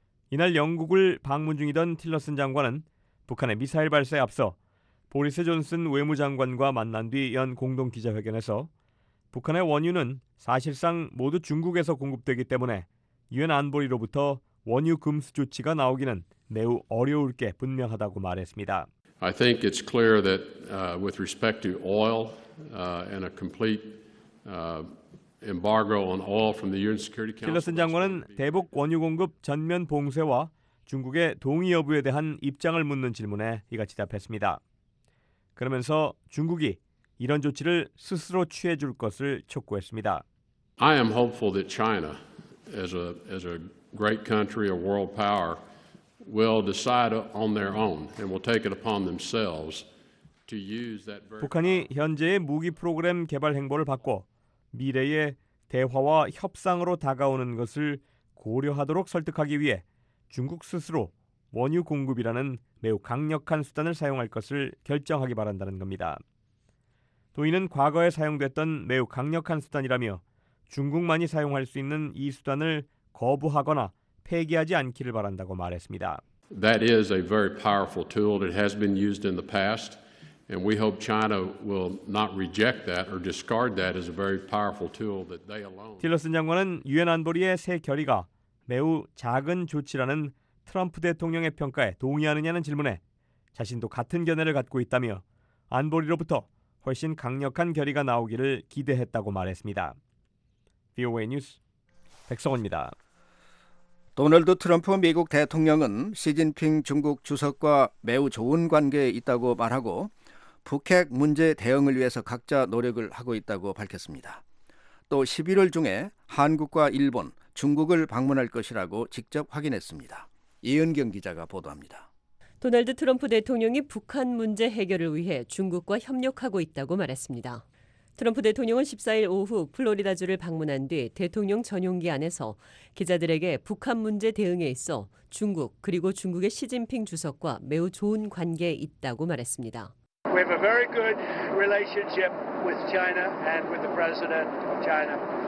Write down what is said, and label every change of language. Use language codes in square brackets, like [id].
[ko] 이날 영국을 방문 중이던 틸러슨 장관은 북한의 미사일 발사에 앞서 보리스 존슨 외무장관과 만난 뒤 연 공동 기자회견에서 북한의 원유는 사실상 모두 중국에서 공급되기 때문에 유엔 안보리로부터 원유 금수 조치가 나오기는 매우 어려울 게 분명하다고 말했습니다. [en] I think it's clear that with respect to oil and a complete embargo on oil from the UN Security Council. [ko] 틸러슨 장관은 대북 원유 공급 전면 봉쇄와 중국의 동의 여부에 대한 입장을 묻는 질문에 이같이 답했습니다. 그러면서 중국이 이런 조치를 스스로 취해 줄 것을 촉구했습니다. [en] I am hopeful that China as a great country, a world power will decide on their own and will take it upon themselves to use that very [ko] 북한이 현재의 무기 프로그램 개발 행보를 바꿔 미래의 대화와 협상으로 다가오는 것을 고려하도록 설득하기 위해 중국 스스로 원유 공급이라는 매우 강력한 수단을 사용할 것을 결정하기 바란다는 겁니다. 또 이는 과거에 사용됐던 매우 강력한 수단이라며 중국만이 사용할 수 있는 이 수단을 거부하거나 폐기하지 않기를 바란다고 말했습니다. [en] That is a very powerful tool. It has been used in the past, and we hope China will not reject that or discard that as a very powerful tool that they alone. [ko] 틸러슨 장관은 유엔 안보리의 새 결의가 매우 작은 조치라는 트럼프 대통령의 평가에 동의하느냐는 질문에 자신도 같은 견해를 갖고 있다며 안보리로부터 훨씬 강력한 결의가 나오기를 기대했다고 말했습니다. VOA 뉴스 백성원입니다. 도널드 트럼프 미국 대통령은 시진핑 중국 주석과 매우 좋은 관계에 있다고 말하고 북핵 문제 대응을 위해서 각자 노력을 하고 있다고 밝혔습니다. 또 11월 중에 한국과 일본, 중국을 방문할 것이라고 직접 확인했습니다. 이은경 기자가 보도합니다. 도널드 트럼프 대통령이 북한 문제 해결을 위해 중국과 협력하고 있다고 말했습니다. 트럼프 대통령은 14일 오후 플로리다주를 방문한 뒤 대통령 전용기 안에서 기자들에게 북한 문제 대응에 있어 중국 그리고 중국의 시진핑 주석과 매우 좋은 관계에 있다고 말했습니다. [en] We have a very good relationship with China and with the president of China.